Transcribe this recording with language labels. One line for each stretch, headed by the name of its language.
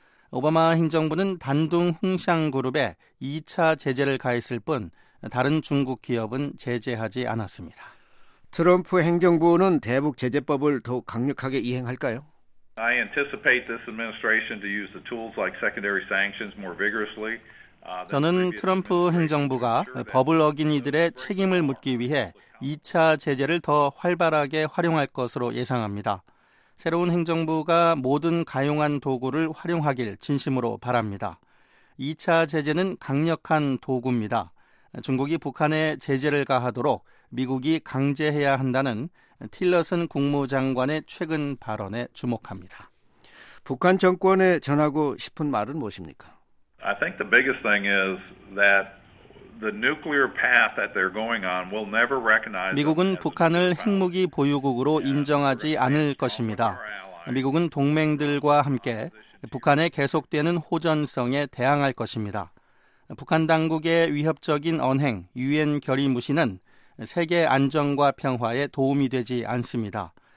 Korean: 오바마 행정부는 단둥 흥샹그룹에 2차 제재를 가했을 뿐 다른 중국 기업은 제재하지 않았습니다. 트럼프 행정부는 대북 제재법을 더욱 강력하게 이행할까요?
English: I anticipate this administration to use the tools like secondary sanctions more vigorously.
Korean: 저는 트럼프 행정부가 법을 어긴 이들의 책임을 묻기 위해 2차 제재를 더 활발하게 활용할 것으로 예상합니다. 새로운 행정부가 모든 가용한 도구를 활용하길 진심으로 바랍니다. 2차 제재는 강력한 도구입니다. 중국이 북한에 제재를 가하도록 미국이 강제해야 한다는 틸러슨 국무장관의 최근 발언에 주목합니다. 북한 정권에 전하고 싶은 말은 무엇입니까?
English: I think the biggest thing is that the nuclear path that they're going on will never recognize.
Korean: 미국은 북한을 핵무기 보유국으로 인정하지 않을 것입니다. 미국은 동맹들과 함께 북한의 계속되는 호전성에 대항할 것입니다. 북한 당국의 위협적인 언행, 유엔 결의 무시는 세계 안정과 평화에 도움이 되지 않습니다.